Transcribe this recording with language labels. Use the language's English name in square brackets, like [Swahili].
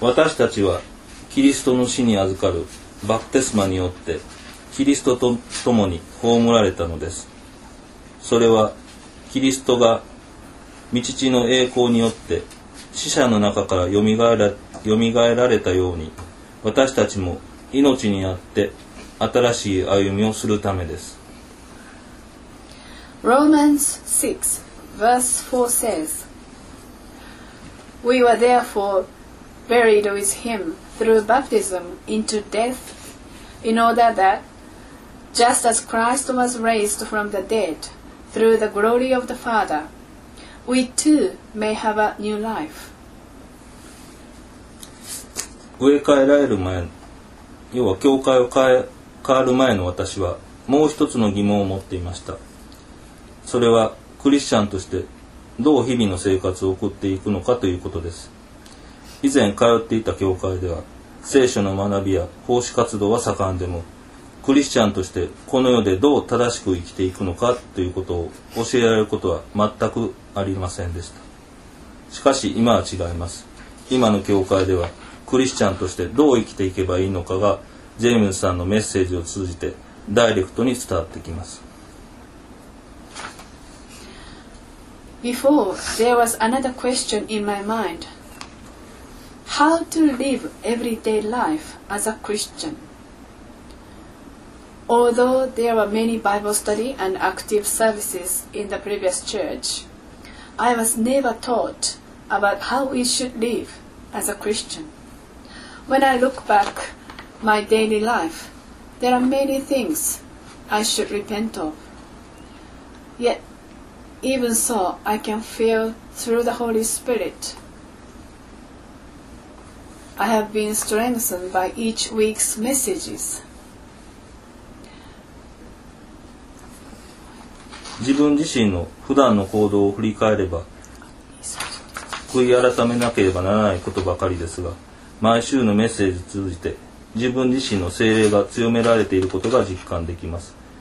[Japanese] 私たちはキリストの死に預かるバプテスマによってキリストと共に葬られたのです。それはキリストが御父の栄光によって死者の中からよみがえられたように、私たちも命にあって新しい歩みをするためです。 [English] Romans 6 verse 4 says, We were therefore buried with him through baptism into death, in order that, just as Christ was raised from the dead through the glory of the Father, we too may have a new life. [Japanese] 植え替えられる前、要は教会を変わる前の私はもう一つの疑問を持っていました。それはクリスチャンとしてどう日々の生活を送っていくのかということです。以前通っていた教会では聖書の学びや奉仕活動は盛んでも、クリスチャンとしてこの世でどう正しく生きていくのかということを教えられることは全くありませんでした。しかし今は違います。今の教会ではクリスチャンとしてどう生きていけばいいのかがジェームズさんのメッセージを通じてダイレクトに伝わってきます。 [English] Before there was another question in my mind. How to live everyday life as a Christian? Although there were many Bible study and active services in the previous church, I was never taught about how we should live as a ChristianWhen I look back my daily life, there are many things I should repent of. Yet, even so, I can feel through the Holy Spirit. I have been strengthened by each week's messages. [Japanese] 自分自身の普段の行動を振り返れば、悔い改めなければならないことばかりですが、毎週のメッセージを通じて自分自身の精霊が強められていることが実感できます。